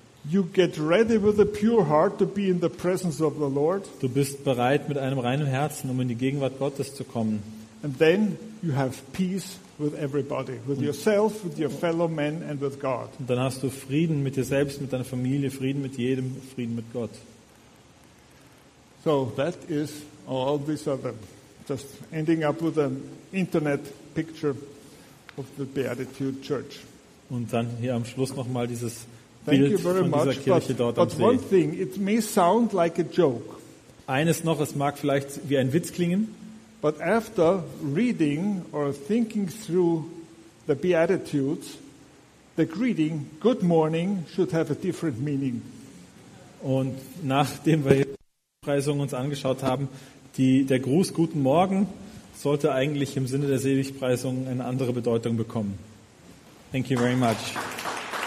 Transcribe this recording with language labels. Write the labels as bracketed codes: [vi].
[en] You get ready with a pure heart to be in the presence of the Lord. [de] Du bist bereit mit einem reinen Herzen, um in die Gegenwart Gottes zu kommen. [en] And then you have peace with everybody, with yourself, with your fellow men and with God. [de] Und dann hast du Frieden mit dir selbst, mit deiner Familie, Frieden mit jedem, Frieden mit Gott. [en] So that is all these other, just ending up with an internet picture of the Beatitude Church. [de] Und dann hier am Schluss noch mal dieses Bild von dieser Kirche dort am See. [en] But one thing, it may sound like a joke. [de] Eines noch, es mag vielleicht wie ein Witz klingen. [en] But after reading or thinking through the Beatitudes, the greeting "Good morning" should have a different meaning. [de] Und nachdem wir uns die Preisung angeschaut haben, der Gruß "Guten Morgen" sollte eigentlich im Sinne der Seligpreisung eine andere Bedeutung bekommen. [en] Thank you very much.